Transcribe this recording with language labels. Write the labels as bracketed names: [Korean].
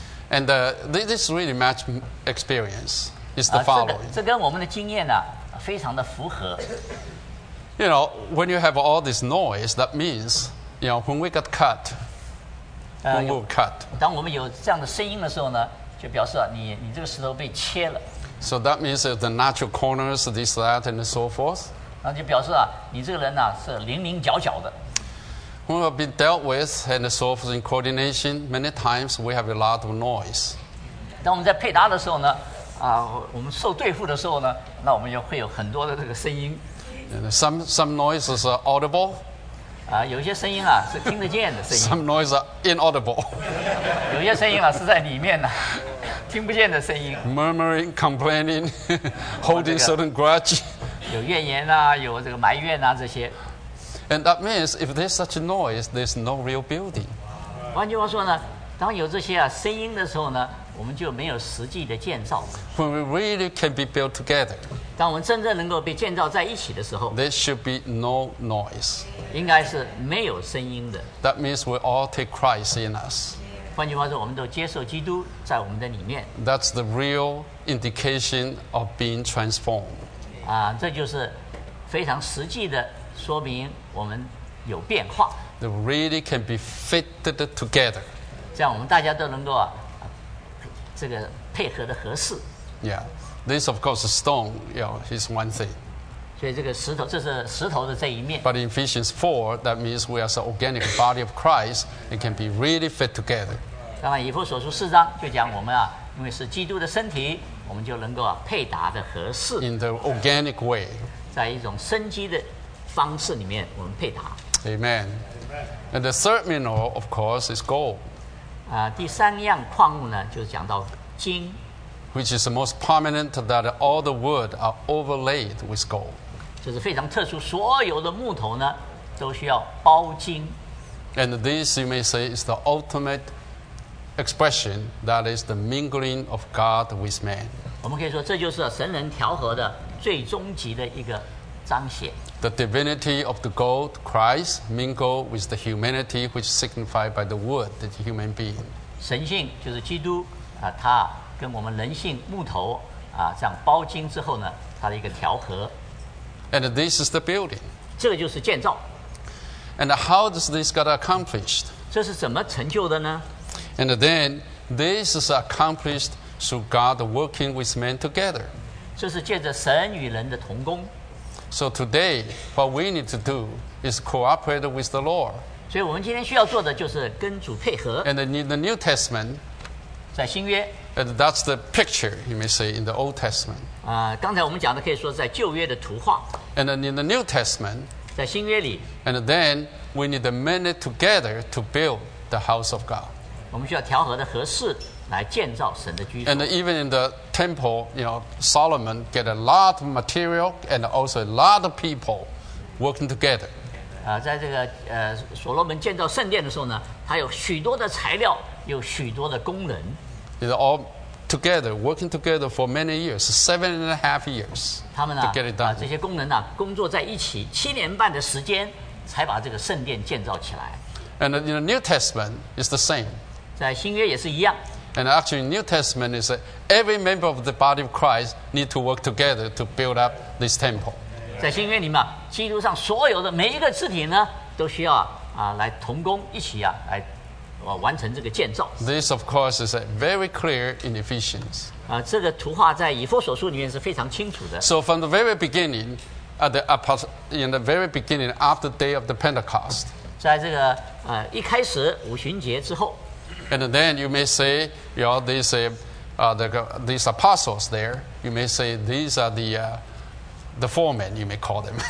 [English] And this really match experience is the following. [Chinese] 这跟我们的经验啊，非常的符合。 [English] You know, when you have all this noise, that means, you know, when we got cut, when we were cut. [Chinese] 当我们有这样的声音的时候呢，就表示啊，你这个石头被切了。 [English] So that means the natural corners, this, that, and so forth. [Chinese] 那就表示啊，你这个人呢、啊、是零零角角的。 [English] We have been dealt with and so forth in coordination. Many times we have a lot of noise. [Chinese] 当我们在配搭的时候呢，我们受对付的时候呢，那我们就会有很多的这个声音。 [English] And some noises are audible. [Chinese] 有些声音啊是听得见的声音。 [English] Some noise are inaudible. [Chinese] 有些声音啊是在里面的、啊，听不见的声音。 [English] Murmuring, complaining, holding certain grudge. [Chinese] 有怨言啊，有这个埋怨啊这些。 [English] And that means if there's such a noise, there's no real building. [Chinese] 换句话说呢，当有这些啊声音的时候呢，我们就没有实际的建造。 [English] When we really can be built together. [Chinese] 当我们真正能够被建造在一起的时候 [English] ，there should be no noise. [Chinese] 应该是没有声音的。 [English] That means we all take Christ in us. [Chinese] 换句话说，我们都接受基督在我们的里面。 [English] That's the real indication of being transformed. [Chinese] 这就是非常实际的。说明我们有变化。 [English] They really can be fitted together. [Chinese] 这样我们大家都能够、啊、这个配合的合适。 [English] Yeah, this of course stone, you know, is one thing. [Chinese] 所以这个石头，这是石头的这一面。 [English] But in Ephesians 4, that means we are the organic body of Christ and can be really fit together. [Chinese] 当然，以弗所书四章就讲我们啊，因为是基督的身体，我们就能够、啊、配搭的合适。 [English] In the organic way. [Chinese] 在一种生机的。方式里面我们配搭。 [English] Amen. And the third mineral, of course, is gold. [Chinese] 第三样矿物呢，就是讲到金。 [English] Which is the most prominent that all the wood are overlaid with gold. [Chinese] 就是非常特殊，所有的木头呢都需要包金。 [English] And this, you may say, is the ultimate expression that is the mingling of God with man. [Chinese] 我们可以说，这就是神人调和的最终极的一个。 [English] The divinity of the gold, Christ, mingled with the humanity which is signified by the wood, the human being. [Chinese] 神性就是基督啊，他跟我们人性木头啊，这样包金之后呢，他的一个调和。 [English] And this is the building. [Chinese] 这个就是建造。 [English] And how does this get accomplished? [Chinese] 这是怎么成就的呢？ [English] And then this is accomplished through God working with man together. [Chinese] 这是借着神与人的同工。 [English] So today, what we need to do is cooperate with the Lord. [Chinese] 所以我们今天需要做的就是跟主配合。 [English] And in the New Testament, [Chinese] 在新约。 [English] And that's the picture you may say in the Old Testament. [Chinese] 刚才我们讲的可以说在旧约的图画。 [English] And in the New Testament, [Chinese] 在新约里。 [English] And then we need the men together to build the house of God. [Chinese] 我们需要调和的合适来建造神的居所。 [English] And even in the Temple, you know, Solomon get a lot of material and also a lot of people working together. [Chinese] 在这个所罗门建造圣殿的时候呢，它有许多的材料，有许多的工人。 [English] It all together, working together for many years, 7.5 years. [Chinese] 他们呢，这些工人呢，工作在一起7.5年的时间，才把这个圣殿建造起来。 [English] And in the New Testament, it's the same. [Chinese] 在新约也是一样。 [English] And actually, New Testament is that every member of the body of Christ need to work together to build up this temple. [Chinese] 在新约里面，基督上所有的每一个肢体呢，都需要来同工一起来完成这个建造。 [English] This of course is very clear in Ephesians. [Chinese] 这个图画在以弗所书里面是非常清楚的。 [English] So from the very beginning, in the very beginning after the day of the Pentecost. [Chinese] 在这个一开始五旬节之后。 [English] And then you may say, you know, these apostles there, you may say these are the foremen, you may call them.